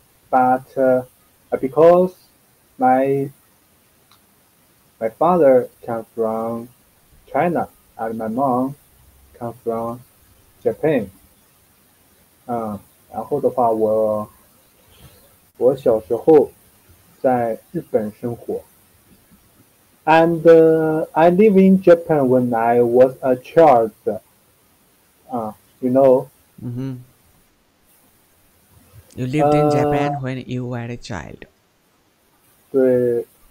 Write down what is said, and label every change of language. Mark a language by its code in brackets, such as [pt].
[en] But because my father come from China and my mom come from Japan. [zh] 然后的话我小时候在日本生活。 [en] And I live in Japan when I was a child. You know. Mm-hmm. You lived in Japan when you were a child. [zh] 对.